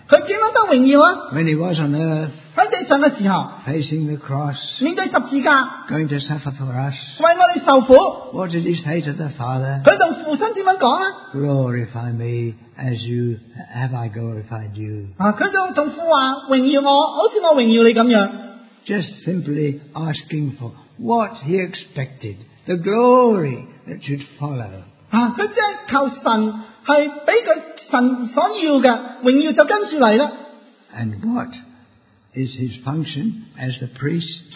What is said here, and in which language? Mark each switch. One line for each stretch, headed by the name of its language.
Chinese: 他怎样得荣耀啊?
English: When he was on earth,
Chinese: 在地上的时候,
English: facing the cross,
Chinese: 面对十字架,
English: going to suffer for us,
Chinese: 为我们受苦,
English: what did he say to the Father?
Chinese: 他跟父亲怎么说啊?
English: Glorify me as you have I glorified you.
Chinese: 啊, 他跟父亲说, 荣耀我, 好像我荣耀你这样,
English: just simply asking for what he expected, the glory that should follow.
Chinese: 啊, 他只是求神, 是被他神所要的,
English: and what is his function as the priest?